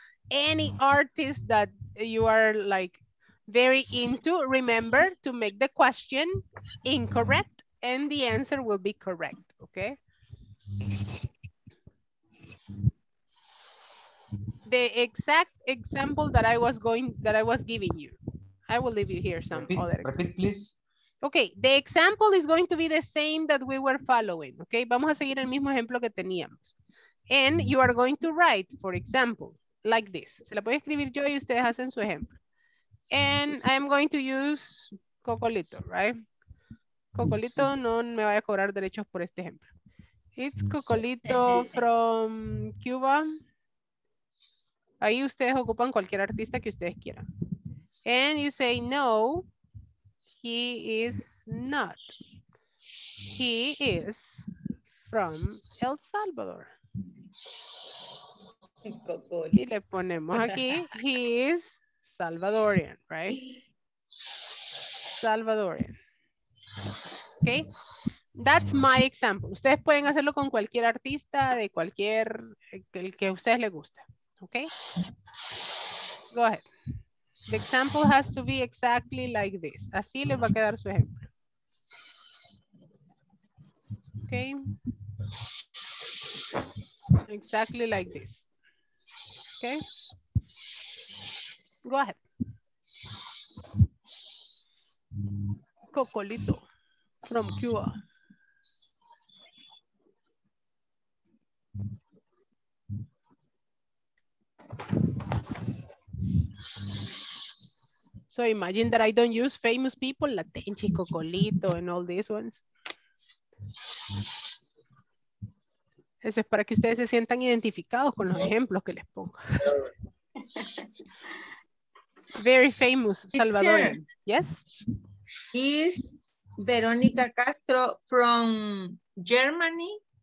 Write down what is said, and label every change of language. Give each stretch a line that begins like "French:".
English: Any artist that you are like very into, remember to make the question incorrect and the answer will be correct, okay? The exact example that I was giving you. I will leave you here some repeat, other example. Repeat, please. Okay, the example is going to be the same that we were following, okay?
Spanish: Vamos a seguir el mismo ejemplo que teníamos.
English: And you are going to write, for example, like this.
Spanish: Se la puede escribir yo y ustedes hacen su ejemplo.
English: And I'm going to use Cocolito, right?
Spanish: Cocolito no me vaya a cobrar derechos por este ejemplo.
English: It's Cocolito from Cuba.
Spanish: Ahí ustedes ocupan cualquier artista que ustedes quieran.
English: And you say, no, he is not. He is from El Salvador. Cocoli.
Spanish: Y le ponemos aquí,
English: he is Salvadorian, right? Salvadorian. Okay, that's my example.
Spanish: Ustedes pueden hacerlo con cualquier artista, de cualquier, el que a ustedes les guste.
English: Okay, go ahead. The example has to be exactly like this.
Spanish: Así les va a quedar su ejemplo.
English: Okay. Exactly like this. Okay. Go ahead. Cocolito from Cuba. So imagine that I don't use famous people, Latenchi, Cocolito, and all these ones.
Spanish: Eso es para que ustedes se sientan identificados con los ejemplos que les pongo.
English: Very famous, Salvador. Yes? Is Veronica Castro from Germany?